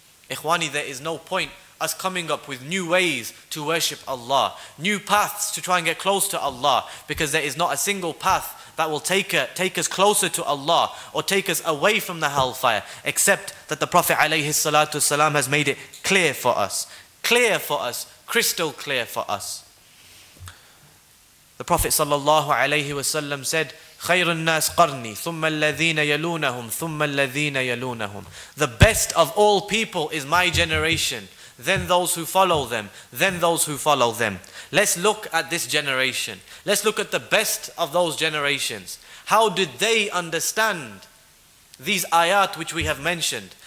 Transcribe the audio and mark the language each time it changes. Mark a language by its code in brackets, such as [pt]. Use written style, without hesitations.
[en] Ikhwani, there is no point us coming up with new ways to worship Allah, new paths to try and get close to Allah, because there is not a single path that will take us closer to Allah or take us away from the hellfire, except that the Prophet alayhi salatu salam has made it clear for us, crystal clear for us. [ar] The Prophet sallallahu alayhi wasallam said, خَيْرُ النَّاسِ قَرْنِي ثُمَّ الَّذِينَ يَلُونَهُمْ ثُمَّ الَّذِينَ يَلُونَهُمْ. [en] The best of all people is my generation, then those who follow them, then those who follow them. Let's look at this generation. Let's look at the best of those generations. How did they understand these ayat which we have mentioned?